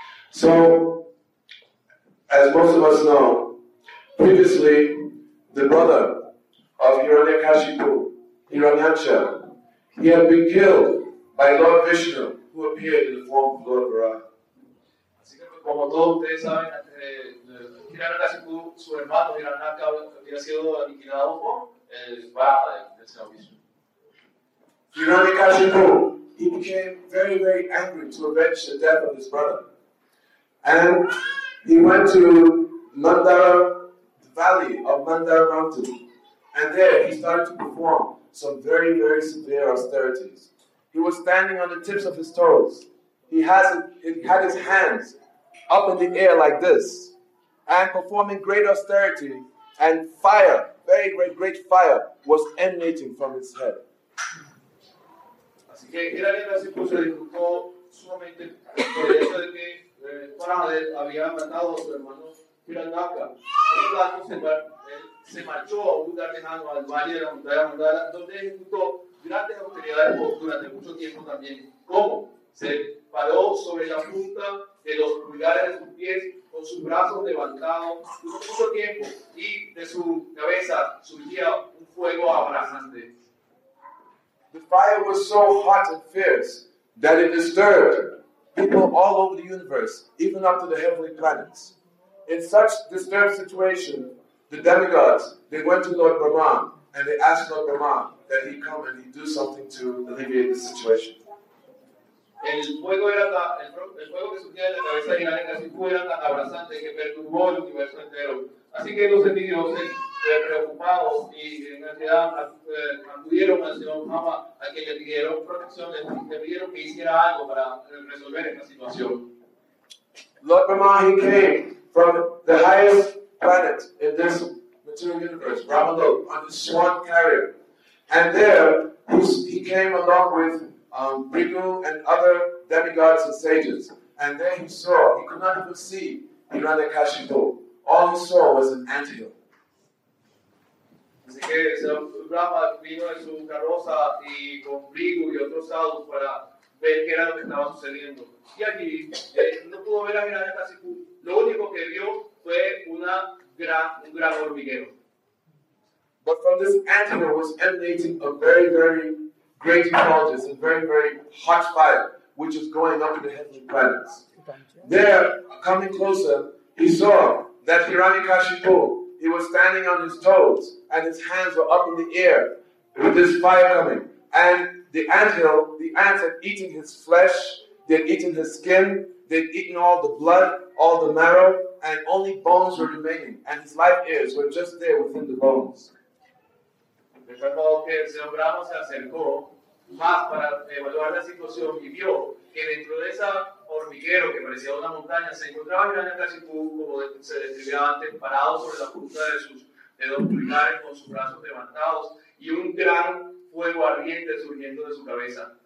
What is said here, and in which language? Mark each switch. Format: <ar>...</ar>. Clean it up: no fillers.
<en>So, as most of us know, previously the brother of Hiranyakashipu, Hiranyaksha, he had been killed by Lord Vishnu, who appeared in the form of Lord Varaha.</en> <es>Como todos ustedes saben, Hiranyakashipu, su hermano Hiranyaksha, había sido aniquilado por el Varaha del Señor Vishnu.</es> <en>Hiranyakashipu, he became very, very angry to avenge the death of his brother. And he went to Mandara, the valley of Mandara Mountain, and there he started to perform some very, very severe austerities. He was standing on the tips of his toes. He had his hands up in the air like this, and performing great austerity, and fire, very great, great fire, was emanating from his head.</en> <es>Así que era bien así, pues se disculpó sumamente por el hecho de que Prahlad había matado a su hermano Hiranyaksha. Por lo tanto, se marchó a un lugar lejano, al valle de la montaña Mandara, donde ejecutó grandes austeridades durante mucho tiempo también. ¿Cómo? Se paró sobre la punta de los pulgares de sus pies, con sus brazos levantados por mucho tiempo, y de su cabeza surgía un fuego abrasante.</es> <en>The fire was so hot and fierce that it disturbed people all over the universe, even up to the heavenly planets. In such disturbed situation, the demigods, they went to Lord Brahma and they asked Lord Brahma that he come and he do something to alleviate the situation.</en> <es>El fuego era el fuego que surgía de la cabeza de Hiranyakashipu era tan abrasante que perturbó el universo entero. Así que los semidioses preocupados y en ansiedad acudieron al señor Mama, a quien le pidieron protección, le pidieron que hiciera algo para resolver esta situación.</es> <en>Lord Brahma, he came from the highest planet in this material universe, Brahmalok, on his swan carrier. And there, he came along with Bhrigu and other demigods and sages. And there he saw, he could not even see Hiranyakashipu. All he saw was an anthill.</en> <es>Así que el Brahma vino en su carroza y con Bhrigu y otros sadhus para ver qué era lo que estaba sucediendo. Y aquí no pudo ver a Hiranyakashipu. Lo único que vio fue un gran hormiguero.</es> <en>But from this anthill was emanating a very, very great intelligence, a very, very hot fire, which is going up to the heavenly planets. There, coming closer, he saw that Hiranyakashipu, he was standing on his toes, and his hands were up in the air with this fire coming. And the anthill, the ants had eaten his flesh, they'd eaten his skin, they'd eaten all the blood, all the marrow, and only bones were remaining, and his life airs were just there within the bones.</en> <es>Recuerdo que el señor Brahma se acercó más para evaluar la situación y vio que dentro de esa hormiguero que parecía una montaña se encontraba Hiranyakashipu, como se describía antes, parado sobre la punta de sus dedos pulgares con sus brazos levantados y un gran fuego ardiente surgiendo de su cabeza.</es>